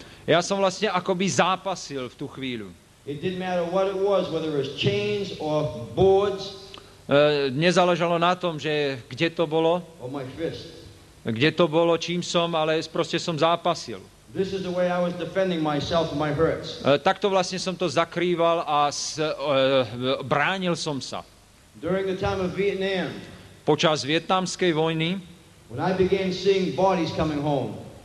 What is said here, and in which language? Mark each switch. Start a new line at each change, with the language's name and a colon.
Slovak: Ja som vlastne akoby zápasil v tú chvíľu.
English: It didn't matter what it was, whether it was chains or boards.
Slovak: Nezáležalo na tom, že kde to bolo.
English: Or my fist.
Slovak: Kde to bolo, čím som, ale proste som zápasil.
English: This is the way I was defending myself and my hurts.
Slovak: Takto vlastne som to zakrýval a bránil som sa.
English: During the time of Vietnam.
Slovak: Počas vietnamskej vojny.
English: When I began seeing bodies coming home.